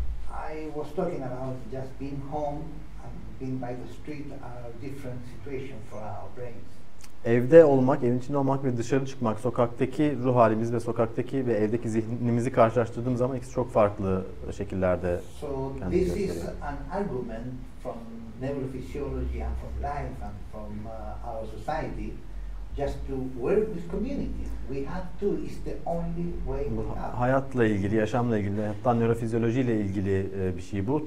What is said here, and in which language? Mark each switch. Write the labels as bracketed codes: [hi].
[en] I was talking about just being home and being by the street are different situation for our brains. [tr] Evde olmak, evin içinde olmak ve dışarı çıkmak, sokaktaki ruh halimiz ve sokaktaki ve evdeki zihnimizi karşılaştırdığımız zaman ikisi çok farklı şekillerde. [en] So this is an argument from neurophysiology and from life and from our society. Just to work with community, we have to. It's the only way. [tr] Bu hayatla ilgili, yaşamla ilgili, hatta nörofizyolojiyle ilgili bir şey bu.